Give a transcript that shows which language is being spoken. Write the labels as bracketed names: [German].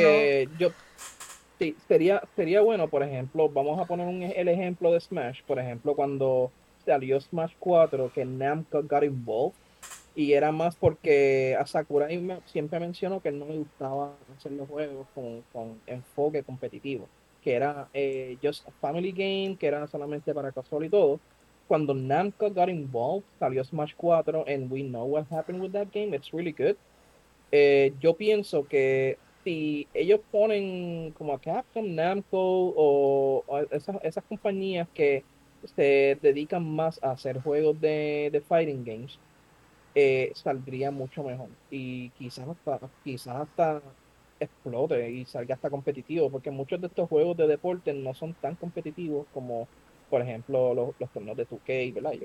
[Spanish] que yo sí, sería bueno, por ejemplo, vamos a poner el ejemplo de Smash. Por ejemplo, cuando salió Smash 4, que [English] Namco got involved, [Spanish] Y era más porque a Sakurai siempre mencionó que no le gustaba hacer los juegos con enfoque competitivo, que era [English] just a family game, [Spanish] que era solamente para casual y todo. Cuando [English] Namco got involved, [Spanish] salió Smash 4, [English] and we know what happened with that game, it's really good. [Spanish] Yo pienso que si ellos ponen como a Capcom, Namco o esas compañías que se dedican más a hacer juegos de fighting games, saldría mucho mejor y quizás hasta explote y salga hasta competitivo, porque muchos de estos juegos de deporte no son tan competitivos como, por ejemplo, los torneos de 2K, ¿verdad?